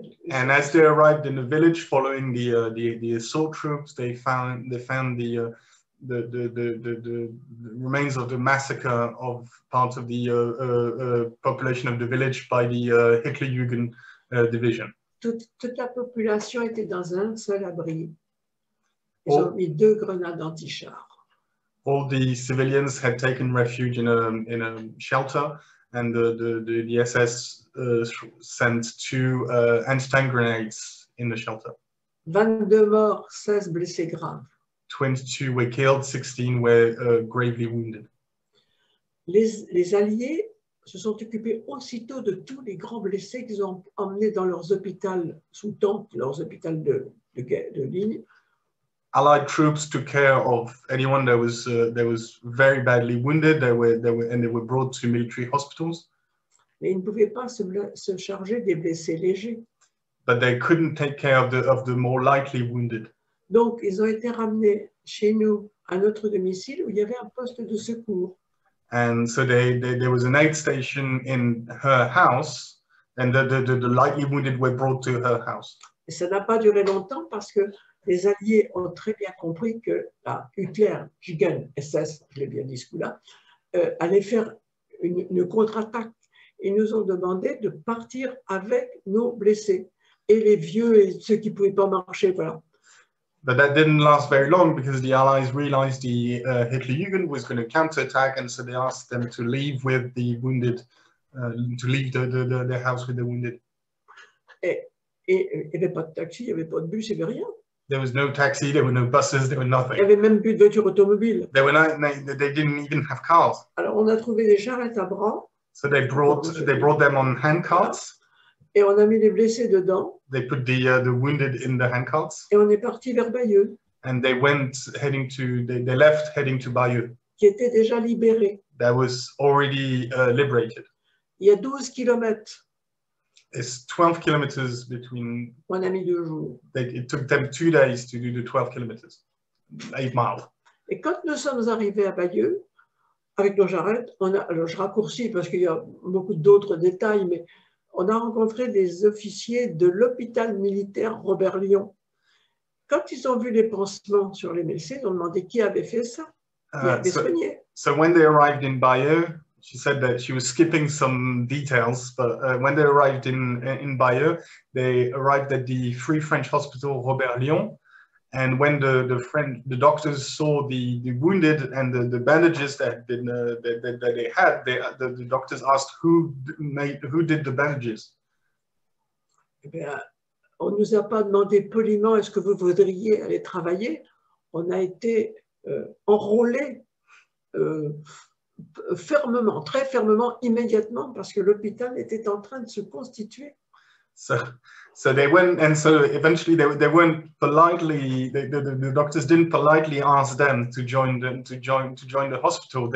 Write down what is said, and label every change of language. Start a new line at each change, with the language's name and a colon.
English: And as they arrived in the village following the assault troops, they found the remains of the massacre of part of the population of the village by the Hitler-Jugend division.
French: Toute la population était dans un seul abri. Ils ont mis deux grenades anti-char.
English: All the civilians had taken refuge in a shelter, and the SS sent two anti-tank grenades in the shelter.
French: 22 morts, 16 blessés graves.
English: 22 were killed, 16 were gravely wounded.
French: Les Alliés se sont occupés aussitôt de tous les grands blessés qu'ils ont emmenés dans leurs hôpitaux sous tente, leurs hôpitaux de ligne.
English: Allied troops took care of anyone that was very badly wounded. They were brought to military hospitals.
French: Mais ils ne pouvaient pas se charger des blessés légers.
English: But they couldn't take care of the more lightly wounded.
French: Donc ils ont été ramenés chez nous à notre domicile où il y avait un poste de secours.
English: And so there was an aid station in her house, and the lightly wounded were brought to her house.
French: Et ça n'a pas duré longtemps parce que les Alliés ont très bien compris que la Hitler-Jugend-SS, je l'ai bien dit ce coup-là, allait faire une contre-attaque. Ils nous ont demandé de partir avec nos blessés et les vieux et ceux qui ne pouvaient pas marcher. Voilà.
English: But that didn't last very long because the Allies realized the Hitler-Jugend was going to counter-attack, and so they asked them to leave with the wounded, to leave the house with the wounded.
French: Et il n'y avait pas de taxi, il n'y avait pas de bus, il n'y avait rien.
English: There was no taxi, there were no buses, there were nothing.
French: Il n'y avait même plus de voiture automobile.
English: They didn't even have cars.
French: Alors on a trouvé des charrettes à bras.
English: So they brought them on handcarts.
French: Et on a mis les blessés dedans.
English: They put the wounded in the handcarts.
French: Et on est parti vers Bayeux.
English: And they left heading to Bayeux.
French: Qui était déjà libéré.
English: That was already liberated.
French: Il y a 12 kilomètres.
English: It's 12 kilometers between...
French: Mon ami deux jours.
English: It took them 2 days to do the 12 kilometers, 8 miles.
French: Et quand nous sommes arrivés à Bayeux, avec nos charrettes, alors je raccourcis parce qu'il y a beaucoup d'autres détails, mais on a rencontré des officiers de l'hôpital militaire Robert Lyon. Quand ils ont vu les pansements sur les blessés, ils ont demandé qui avait fait ça.
English: So when they arrived in Bayeux, she said that she was skipping some details, but when they arrived in Bayeux, they arrived at the Free French Hospital Robert Lyon, and when the doctors saw the wounded and the bandages that had been that they had, the doctors asked who did the bandages.
French: On ne nous a pas demandé poliment est-ce que vous voudriez aller travailler. On a été enrôlé fermement, très fermement, immédiatement, parce que l'hôpital était en train de se constituer.
English: So they went, and so eventually they weren't politely. The doctors didn't politely ask them to join the hospital.